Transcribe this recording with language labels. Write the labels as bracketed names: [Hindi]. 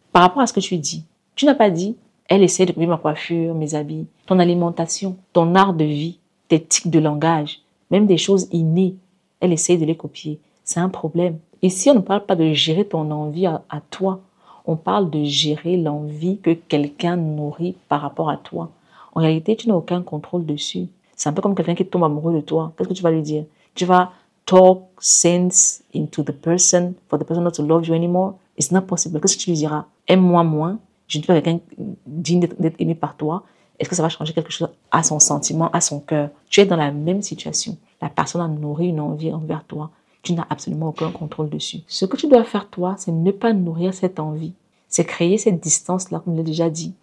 [French] Par rapport à ce que tu dis, tu n'as pas dit, elle essaie de copier ma coiffure, mes habits, ton alimentation, ton art de vie, tes tics de langage, même des choses innées, elle essaie de les copier. C'est un problème. Ici, on ne parle pas de gérer ton envie à toi. On parle de gérer l'envie que quelqu'un nourrit par rapport à toi. En réalité, tu n'as aucun contrôle dessus. C'est un peu comme quelqu'un qui tombe amoureux de toi. Qu'est-ce que tu vas lui dire? Tu vas [English] talk sense into the person for the person not to love you anymore. It's not possible. [French] Qu'est-ce que tu lui diras? Aime-moi moins. Je ne suis pas quelqu'un digne d'être aimé par toi. Est-ce que ça va changer quelque chose à son sentiment, à son cœur? Tu es dans la même situation. La personne a nourri une envie envers toi. Tu n'as absolument aucun contrôle dessus. Ce que tu dois faire, toi, c'est ne pas nourrir cette envie. C'est créer cette distance-là, comme je l'ai déjà dit.